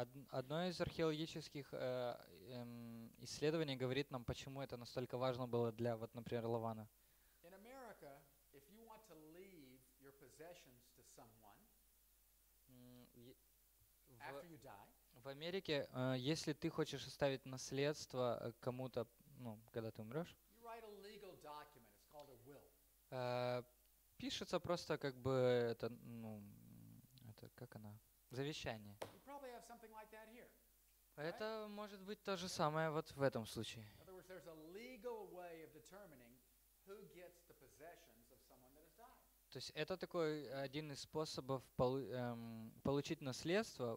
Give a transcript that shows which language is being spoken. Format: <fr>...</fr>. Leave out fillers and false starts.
<ru>Одно из археологических исследований говорит нам, почему это настолько важно было для, вот, например, Лавана.</ru> <en>In America, if you want to leave your possessions to someone, after you die,</en> <ru>в Америке, если ты хочешь оставить наследство кому-то, ну, когда ты умрешь,</ru> <en>you write a legal document, it's called a will.</en> <ru>Пишется просто как бы это, ну, это как она? Завещание.</ru> <en>You probably have something like that here, right?</en> <ru>Это может быть то же самое вот в этом случае.</ru> <en>In other words, there's a legal way of determining who gets the possessions of someone that has died.</en> <ru>То есть это такой один из способов получить наследство.</ru>